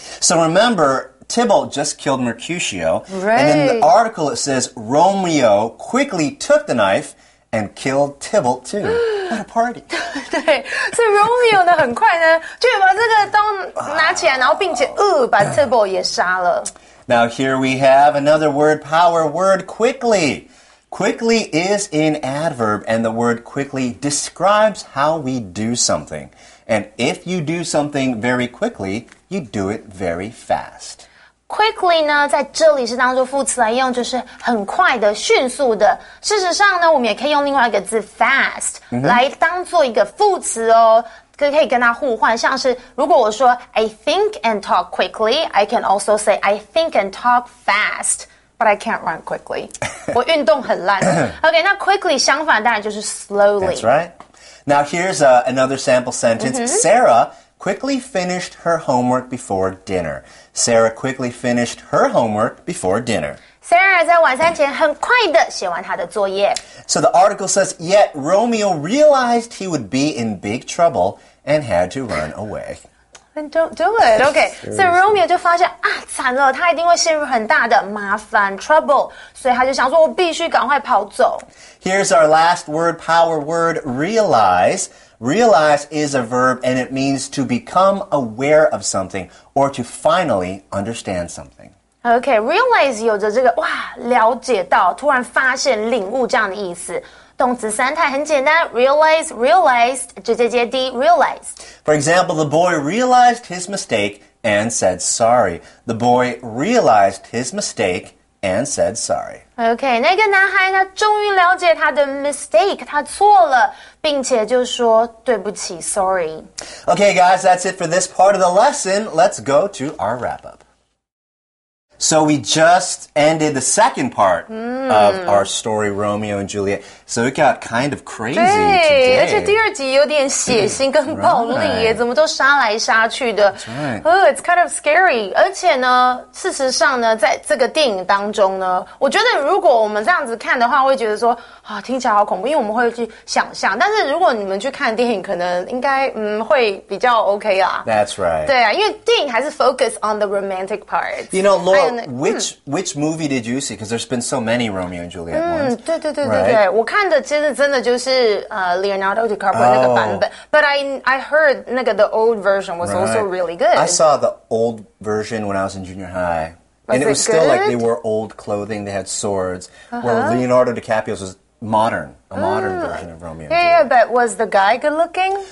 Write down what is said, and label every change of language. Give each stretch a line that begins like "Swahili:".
English: So remember, Tybalt just killed Mercutio. Right. And in the article it says, Romeo quickly took the knife and killed Tybalt too. At a party.
Chinese: 对，所以 Romeo 呢很快呢就把这个刀拿起来，然后并且把 Tybalt 也杀了。
English: Now here we have another word power word, quickly. Quickly is an adverb, and the word quickly describes how we do something. And if you do something very quickly, you do it very fast.
Chinese: Quickly 呢在这里是当作副词来用，就是很快的，迅速的。事实上呢我们也可以用另外一个字 fast、mm-hmm. 来当作一个副词哦。可以跟它互换，像是如果我说
English: I think and talk quickly, I can also say I think and talk fast, but I can't run quickly.
Chinese: 我运动很烂。 OK, 那 quickly 相反当然就是 slowly.
English: That's right. Now here's another sample sentence.、Mm-hmm. Sarah quickly finished her homework before dinner. Sarah quickly finished her homework before dinner.
Chinese: Sarah 在晚餐前很快地写完她的作业。
English: So the article says, yet Romeo realized he would be in big trouble and had to run away. And don't do it.
Chinese: Okay, so Romeo 就发现啊，惨了，他一定会陷入很大的麻烦 trouble. 所以他就想说，我必须赶快跑走。
English: Here's our last word, power word, realize. Realize is a verb, and it means to become aware of something or to finally understand something.
Chinese: Okay, realize 有着这个哇，了解到，突然发现、领悟这样的意思。动词三态很简单 ，realize, realized, 直接接 d, realized.
English: For example, the boy realized his mistake and said sorry. The boy realized his mistake. And said sorry.
Chinese: Okay, 那个男孩他终于了解他的 mistake, 他错了并且就说对不起 sorry.
English: Okay, guys, that's it for this part of the lesson. Let's go to our wrap-up. So we just ended the second part、mm. of our story, Romeo and Juliet. So it got kind of crazy
Chinese: 对
English: today.
Chinese: 而且第二集有点血腥跟暴力耶、
English: right.
Chinese: 怎么都杀来杀去的、
English: right. It's kind of scary.
Chinese: 而且呢事实上呢在这个电影当中呢我觉得如果我们这样子看的话会觉得说啊，听起来好恐怖因为我们会去想象但是如果你们去看电影可能应该会比较 OK 啦
English: That's right.
Chinese: 对啊因为电影还是
English: focus on the romantic part. You know, Lord,Which movie did you see? Because there's been so many Romeo and Juliet ones.
Chinese: 对对对对对、
English: right?
Chinese: 我看的其实真的就是、Leonardo DiCaprio、 oh. 那个版本
English: But I heard
Chinese: 那个
English: the old version was、 right. also really good. I saw the old version when I was in junior high. Was and it was it still、 Like they wore old clothing, they had swords.、Uh-huh. Where Leonardo DiCaprio's was modern, a modern、mm. version of Romeo and yeah, Juliet. Yeah, but was the guy good looking?